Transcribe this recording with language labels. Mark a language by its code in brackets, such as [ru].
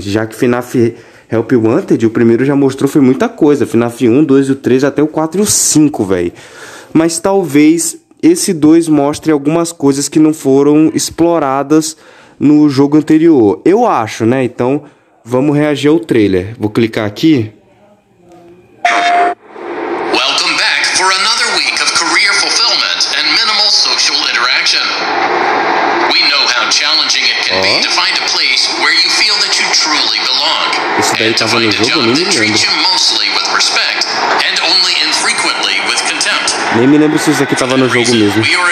[pt] Já que FNAF Help Wanted, o primeiro já mostrou, foi muita coisa. FNAF 1, 2, o 3, até o 4 e o 5, velho. Mas talvez esse 2 mostre algumas coisas que não foram exploradas no jogo anterior. Eu acho, né, então... Vamos reagir ao trailer. Vou clicar aqui. [en] Welcome back for another week of career fulfillment and minimal social interaction. We know how challenging it can be to find a place where you feel that you truly belong. [pt] Isso daí tava no jogo, eu não me lembro. [en] Mostly with respect and only infrequently with contempt. [pt] Nem me lembro se isso aqui tava no jogo mesmo.